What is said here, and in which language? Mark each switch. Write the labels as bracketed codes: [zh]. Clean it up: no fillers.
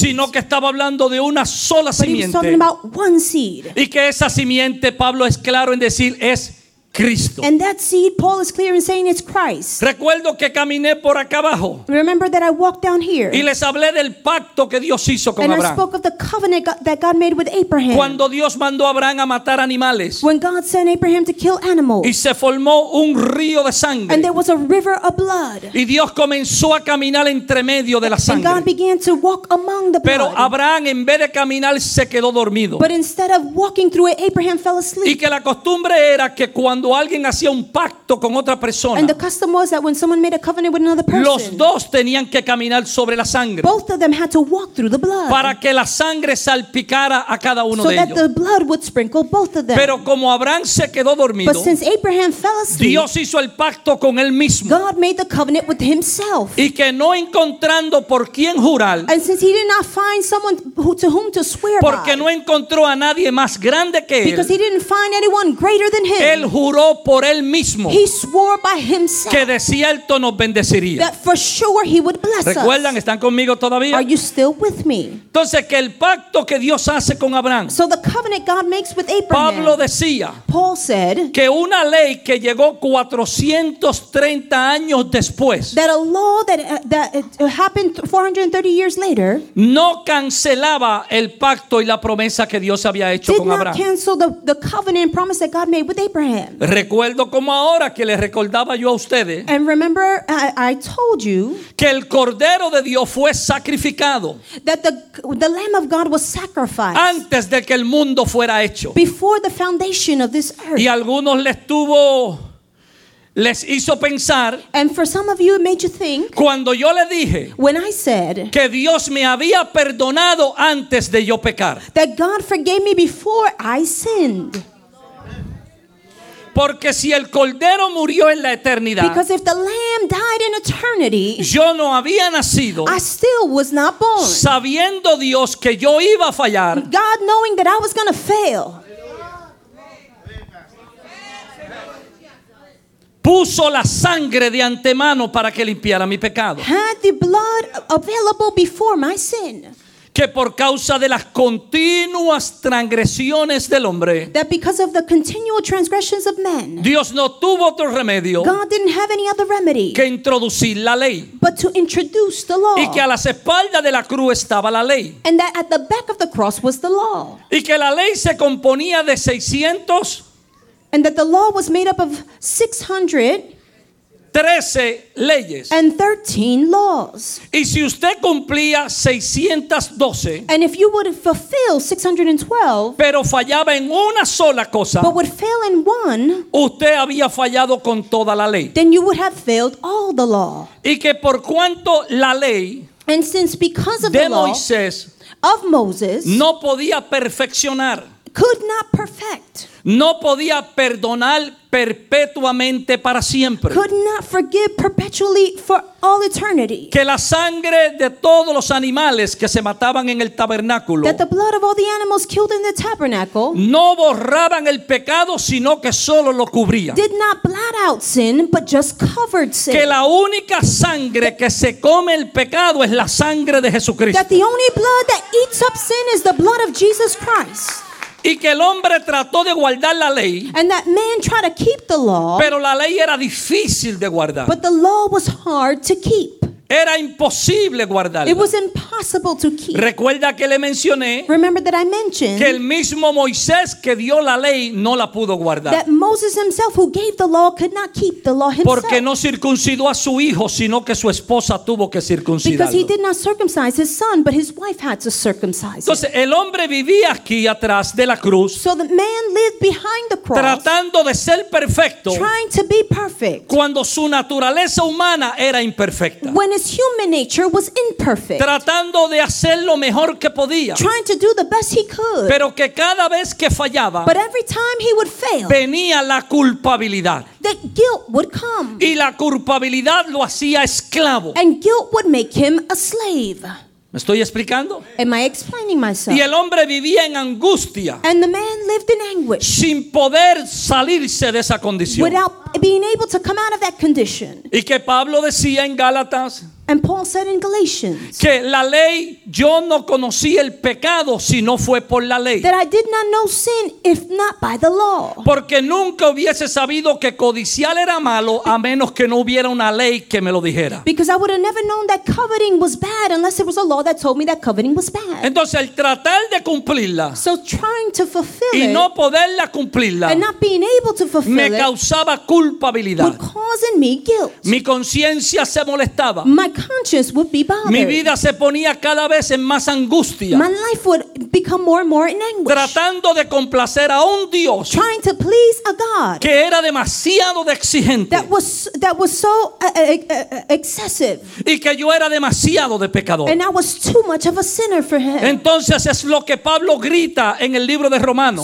[es] sino que estaba hablando de una sola simiente [en] but he was talking about one seed [es] y que esa simiente Pablo es claro en decir es Cristo. [en] And that seed, Paul is clear in saying it's Christ. [es] Recuerdo que caminé por acá abajo. [en] Remember that I walked down here. [es] Y les hablé del pacto que Dios hizo con [en] and [es] Abraham. [en] I spoke of the covenant that God made with Abraham. [es] Cuando Dios mandó a Abraham a matar animales. [en] When God sent Abraham to kill animals. [es] Y se formó un río de sangre. [en] And there was a river of blood. [es] Y Dios comenzó a caminar entre medio de la sangre. [en] And God began to walk among the [es] Pero [en] blood. [es] Pero Abraham en vez de caminar se quedó dormido. [en] But instead of walking through it, Abraham fell asleep. [es] Y que la costumbre era que cuando alguien hacía un pacto con otra persona. [en] And the custom was that when someone made a covenant with another person, [es] los dos tenían que caminar sobre la sangre. [en] Both of them had to walk through the blood. [es] Para que la sangre salpicara a cada uno [en] so [es] de ellos. [en] So that the blood would sprinkle both of them. [es] Pero como Abraham se quedó dormido, [en] but since Abraham fell asleep, [es] Dios hizo el pacto con él mismo. [en] God made the covenant with himself. [es] Y que no encontrando por quién jurar. [en] And since he did not find someone who, to whom to swear [es] porque [en] by. [es] Porque no encontró a nadie más grande que [en] because [es] él. [en] Because he didn't find anyone greater than him. [es] Él juró por él mismo que de cierto nos bendeciría. [en] That for sure he would bless [es] ¿Recuerdan? [en] Us. [es] ¿Están conmigo todavía? [en] Are you still with me? [es] Entonces que el pacto que Dios hace con Abraham, [en] so the covenant God makes with Abraham [es] Pablo decía [en] Paul said, [es] que una ley que llegó 430 años después [en] that a law that happened 430 years later [es] no cancelaba el pacto y la promesa que Dios había hecho con Abraham. [en] Did not cancel the covenant and promise that God made with Abraham. [es] Recuerdo como ahora que les recordaba yo a ustedes [en] and remember, I told you [es] que el Cordero de Dios fue sacrificado [en] that the Lamb of God was sacrificed [es] antes de que el mundo fuera hecho [en] before the foundation of this earth [es] y algunos les tuvo les hizo pensar [en] and for some of you it made you think [es] cuando yo le dije [en] when I said [es] que Dios me había perdonado antes de yo pecar [en] that God forgave me before I sinned. [es] Porque si el cordero murió en la eternidad, [en] because if the lamb died in eternity, [es] yo no había nacido, [en] I still was not born, [es] sabiendo Dios que yo iba a fallar, [en] God knowing that I was going to fail, [es] puso la sangre de antemano para que limpiara mi pecado, [en] had the blood available before my sin. [es] Que por causa de las continuas transgresiones del hombre [en] that because of the continual transgressions of men [es] Dios no tuvo otro remedio [en] God didn't have any other remedy [es] que introducir la ley [en] but to introduce the law [es] y que a las espaldas de la cruz estaba la ley [en] and that at the back of the cross was the law [es] y que la ley se componía de 600 [en] and that the law was made up of 600 [es] 13 leyes [en] and 13 laws [es] y si usted cumplía 612 [en] and if you would fulfill 612 [es] pero fallaba en una sola cosa [en] but would fail in one [es] usted había fallado con toda la ley [en] then you would have failed all the law [es] y que por cuanto la ley [en] and since because of [es] de [en] the law [es] Moisés [en] of Moses [es] no podía perfeccionar [en] could not perfect [es] no podía perdonar perpetuamente para siempre [en] could not forgive perpetually for all eternity [es] que la sangre de todos los animales que se mataban en el tabernáculo [en] that the blood of all the animals killed in the tabernacle [es] no borraban el pecado sino que solo lo cubría [en] did not blot out sin but just covered sin [es] que la única sangre que se come el pecado es la sangre de Jesucristo [en] that the only blood that eats up sin is the blood of Jesus Christ [es] y que el hombre trató de guardar la ley [en] and that man tried to keep the law [es] pero la ley era difícil de guardar [en] but the law was hard to keep [es] Era imposible guardarla. [en] It was impossible to keep. [es] Recuerda que le mencioné. [en] Remember that I mentioned [es] que el mismo Moisés que dio la ley no la pudo guardar. [en] That Moses himself who gave the law could not keep the law himself. [es] Porque no circuncidó a su hijo, sino que su esposa tuvo que circuncidarlo. [en] Because he did not circumcise his son, but his wife had to circumcise. [es] Entonces el hombre vivía aquí atrás de la cruz. [en] So the man lived behind the cross. [es] Tratando de ser perfecto. [en] Trying to be perfect. [es] Cuando su naturaleza humana era imperfecta. [en] When his human nature was imperfect. [es] Tratando de hacer lo mejor que podía. [en] Trying to do the best he could. [es] Pero que cada vez que fallaba, [en] but every time he would fail, [es] venía la culpabilidad. [en] That guilt would come. [es] Y la culpabilidad lo hacía esclavo. [en] And guilt would make him a slave. [es] ¿Me estoy explicando? [en] Am I explaining myself? [es] Y el hombre vivía en angustia. [en] And the man lived in anguish. [es] Sin poder salirse de esa condición. [en] Without being able to come out of that condition. [es] Y que Pablo decía en Gálatas. [en] And Paul said in Galatians. [es] Que la ley, yo no conocí el pecado si no fue por la ley. [en] That I did not know sin if not by the law. [es] Porque nunca hubiese sabido que codiciar era malo a menos que no hubiera una ley que me lo dijera. [en] Because I would have never known that coveting was bad unless there was a law that told me that coveting was bad. [es] Entonces el tratar de cumplirla. [en] So trying to fulfill it. [es] Y no poderla cumplirla. [en] And not being able to fulfill it. [es] Me causaba culpabilidad. [en] Would cause in me guilt. [es] Mi conciencia se molestaba. [en] My conscience would be bothered. [es] Mi vida se ponía cada vez en más angustia. [en] My life would become more and more in anguish. [es] Tratando de complacer a un Dios. [en] Trying to please a God. [es] Que era demasiado de exigente. [en] That was so excessive. [es] Y que yo era demasiado de pecador. [en] And I was too much of a sinner for him. [es] Entonces es lo que Pablo grita en el libro de Romanos.